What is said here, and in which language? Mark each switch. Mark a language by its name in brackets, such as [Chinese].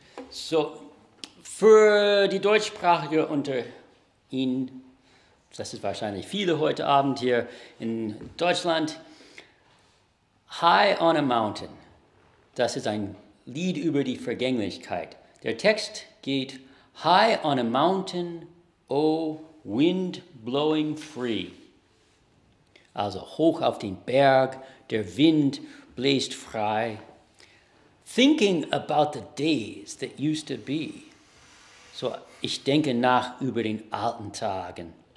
[German] So, für die deutschsprachige unter Ihnen, das ist wahrscheinlich viele heute Abend hier in Deutschland, High on a Mountain, das ist ein Lied über die Vergänglichkeit. Der Text geht, High on a Mountain, [English] oh, wind blowing free. [German] Also hoch auf den Berg, der Wind bläst frei. [English] Thinking about the days that used to be. [German] So, ich denke nach über den alten Tagen.